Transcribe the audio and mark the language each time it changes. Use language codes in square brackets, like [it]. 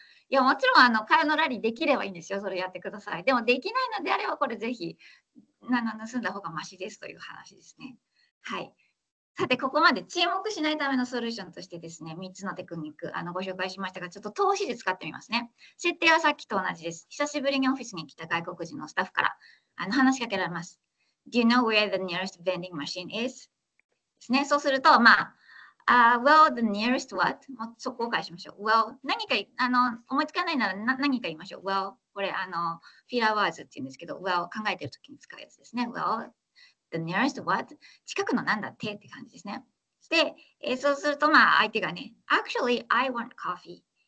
[ja] いやもちろん会話のラリーできればいいんですよ、それやってください。でもできないのであればこれぜひ盗んだ方がマシですという話ですね。はい。さてここまで沈黙しないためのソリューションとしてですね、3つのテクニックご紹介しましたが、ちょっと投資で使ってみますね。設定はさっきと同じです。久しぶりにオフィスに来た外国人のスタッフから話しかけられます。 [en] Do you know where the nearest vending machine is? [ja] ですね。そうするとまあ [en] Well, the nearest what? [ja] もうそこを返しましょう。Well, 何か思いつかないなら何か言いましょう。 Well, これフィラーワーズっていうんですけど、Well, 考えてるときに使うやつですね。 [en] Well, the nearest what? [ja] 近くのなんだってって感じですね。で、そうすると、まあ、相手がね、 [en] Actually, I want coffee.